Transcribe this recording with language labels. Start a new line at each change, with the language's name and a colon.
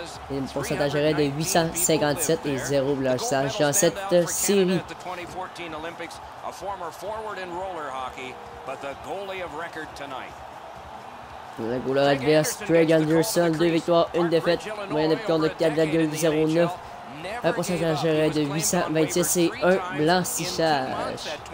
French: Et un pourcentage arrêt de 857 et 0 blanchissage dans cette série.
English: The 2014 Olympics, a former forward in roller hockey, but the goalie of record tonight.
French: Le goaler adverse, Craig Anderson, 2 victoires, 1 défaite, moyenne de but de 4,09, un pourcentage arrêt de 826 et 1 blanchissage.